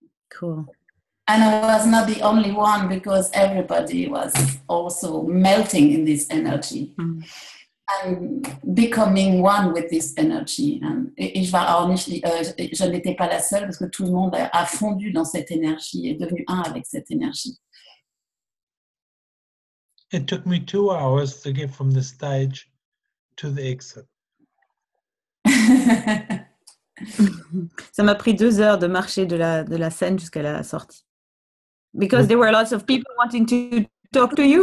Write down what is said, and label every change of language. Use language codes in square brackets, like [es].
[en] Cool. And I was not the only one because everybody was also melting in this energy and becoming one with this energy. [fr] Je n'étais pas la seule parce que tout le monde a fondu dans cette énergie et est devenu un avec cette énergie. [en] It took me 2 hours to get from the stage to the exit. [fr] Ça m'a pris 2 heures de marcher de la scène jusqu'à la sortie. [en] Because there were lots of people wanting to talk to you.